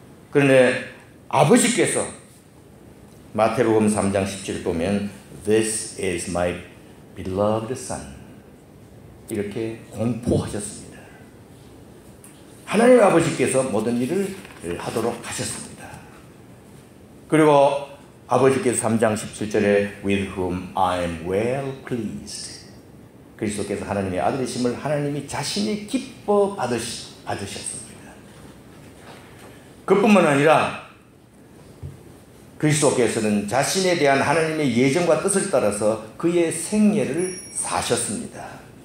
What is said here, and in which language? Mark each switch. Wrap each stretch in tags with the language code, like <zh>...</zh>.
<ko>그런데 아버지께서 마태복음 3장 17절 보면</ko> <en>This is my beloved son.</en> <ko>이렇게 공포하셨습니다. 하나님 아버지께서 모든 일을 하도록 하셨습니다. 그리고 아버지께서 3장 17절에</ko> <en>With whom I am well pleased.</en> <ko>그리스도께서 하나님의 아들이심을 하나님이 자신이 기뻐 받으셨습니다. 그뿐만 아니라 그리스도께서는 자신에 대한 하나님의 예정과 뜻을 따라서 그의 생애를 사셨습니다.</ko>